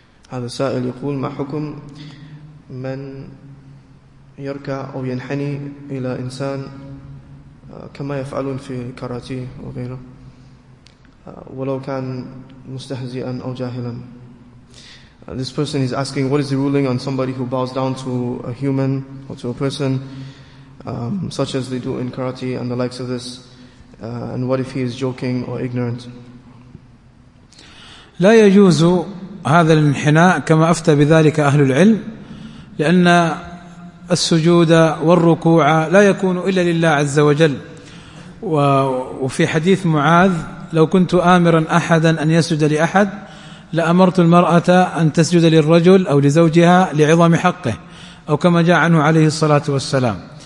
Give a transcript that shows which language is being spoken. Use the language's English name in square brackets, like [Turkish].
[Arabic] هذا السائل يقول ما حكم من يركع أو ينحني إلى إنسان كما يفعلون في الكاراتيه وغيره ولو كان مستهزئا أو جاهلا. [English] This person is asking, what is the ruling on somebody who bows down to a human or to a person such as they do in karate and the likes of this, and what if he is joking or ignorant? [Arabic] لا يجوز هذا الانحناء كما أفتى بذلك أهل العلم, لأن السجود والركوع لا يكون إلا لله عز وجل. وفي حديث معاذ, لو كنت آمرا أحدا أن يسجد لأحد لأمرت المرأة أن تسجد للرجل أو لزوجها لعظم حقه, أو كما جاء عنه عليه الصلاة والسلام.